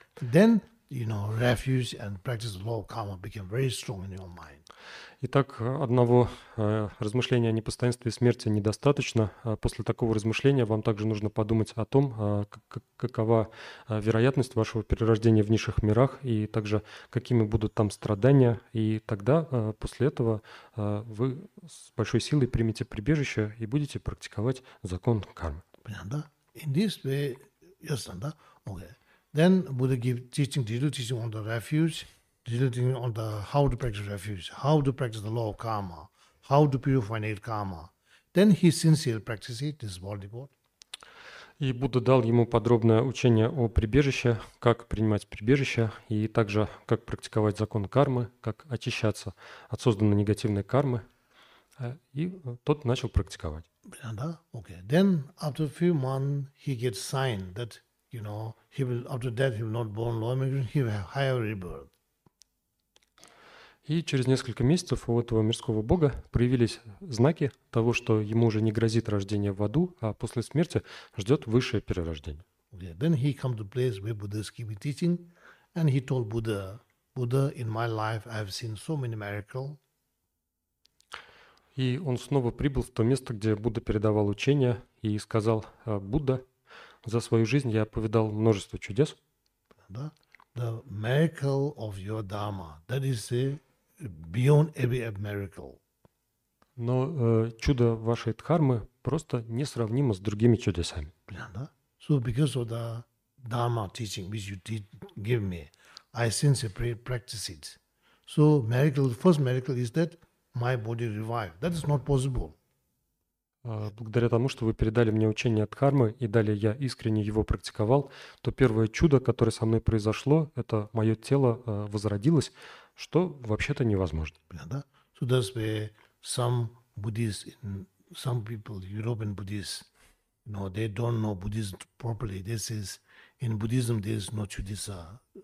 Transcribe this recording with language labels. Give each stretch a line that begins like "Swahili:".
English: Then, you know, refuge and practice of law of karma became very strong in your mind.
Russian: Итак, одного размышления о непостоянстве смерти недостаточно. После такого размышления вам также нужно подумать о том, какова вероятность вашего перерождения в низших мирах и также какими будут там страдания. И тогда, после этого, вы с большой силой примете прибежище и будете практиковать закон кармы. Понятно?
English: In this way, yes,
Russian: да?
English: Okay. Then Buddha give teaching, detailed teaching on the refuge, detailed teaching on the how to practice refuge, how to practice the law of karma, how to purify negative karma. Then he sincerely practice it, this body board.
Russian: И Будда дал ему подробное учение о прибежище, как принимать прибежище, и также как практиковать закон кармы, как очищаться от созданной негативной кармы. И тот начал практиковать. Да,
English: okay. Then after a few months he gets sign that you know, he will after death he will not born law migration, he will have higher rebirth.
Russian: И через несколько месяцев у этого мирского бога проявились знаки того, что ему уже не грозит рождение в аду, а после смерти ждет высшее перерождение.
English: Okay. Then he came to place where Buddha is keeping teaching, and he told Buddha, Buddha, in my life I have seen so many miracles.
Russian: И он снова прибыл в то место, где Будда передавал учения, и сказал: «Будда, за свою жизнь я повидал множество чудес». Да?
English: The miracle of your dharma, that is a beyond every miracle.
Russian: Но чудо вашей дхармы просто несравнимо с другими чудесами. Да?
English: So because of the dharma teaching which you did give me, I since practice it. So miracle, first miracle is that my body revived. That is not possible.
Russian: Благодаря тому, что вы передали мне учение от дхармы, и далее я искренне его практиковал, то первое чудо, которое со мной произошло, это мое тело возродилось, что вообще-то невозможно. Да?
English: So that's where some Buddhists, some people, European Buddhists, you know, they don't know Buddhism properly. This is in Buddhism, there is no chudisa.